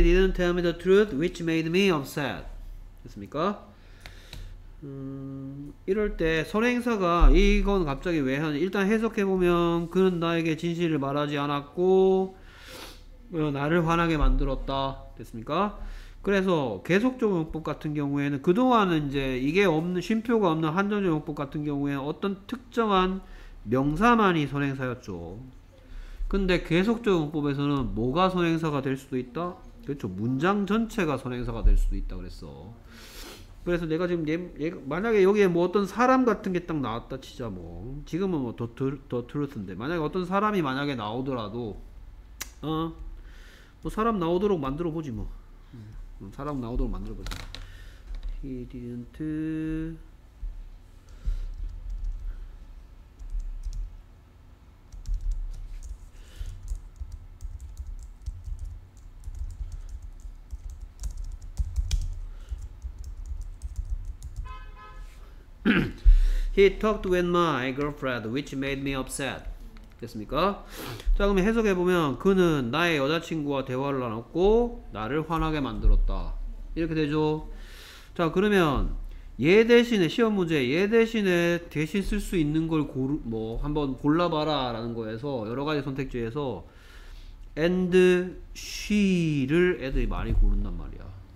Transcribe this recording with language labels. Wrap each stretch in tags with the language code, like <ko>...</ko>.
<en>He didn't tell me the truth, which made me upset.</en> <ko>됐습니까? 이럴 때 선행사가 이건 갑자기 왜 하는지 일단 해석해보면 그는 나에게 진실을 말하지 않았고 나를 화나게 만들었다. 됐습니까? 그래서 계속적용법 같은 경우에는 그동안은 이제 이게 없는 쉼표가 없는 한정적용법 같은 경우에 어떤 특정한 명사만이 선행사였죠. 근데 계속적용법에서는 뭐가 선행사가 될 수도 있다? 그렇죠. 문장 전체가 선행사가 될 수도 있다 그랬어. 그래서 내가 지금 만약에 여기에 뭐 어떤 사람 같은 게 딱 나왔다 치자. 뭐 지금은 뭐 더 트루스인데 만약에 어떤 사람이 만약에 나오더라도 뭐 사람 나오도록 만들어 보지 뭐. 사람 나오도록 만들어버려.</ko> <en>He didn't He talked with my girlfriend, which made me upset.</en> <ko>됐습니까? 자 그럼 해석해보면 그는 나의 여자친구와 대화를 나눴고 나를 화나게 만들었다 이렇게 되죠. 자 그러면 얘 대신에 시험 문제 얘 대신에 대신 쓸 수 있는 걸 뭐 한번 골라봐라 라는 거에서 여러가지 선택지에서 and she를 애들이 많이 고른단 말이야.</ko>